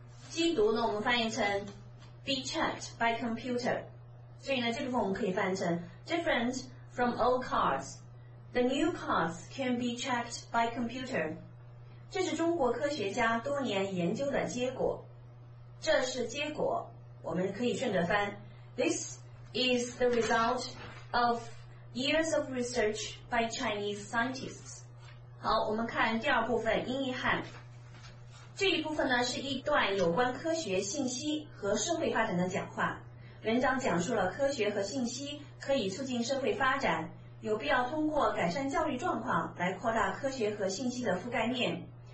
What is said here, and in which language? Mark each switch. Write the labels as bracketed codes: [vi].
[zh] 机读呢，我们翻译成 [en] be checked by computer。 [zh] 所以呢，这部分我们可以翻译成 [en] different from old cars, the new cars can be checked by computer。 [zh] 这是中国科学家多年研究的结果。这是结果，我们可以顺着翻。 [en] This is the result of years of research by Chinese scientists。 [zh] 好，我们看第二部分音译汉。这一部分呢是一段有关科学信息和社会发展的讲话。文章讲述了科学和信息可以促进社会发展，有必要通过改善教育状况来扩大科学和信息的覆盖面。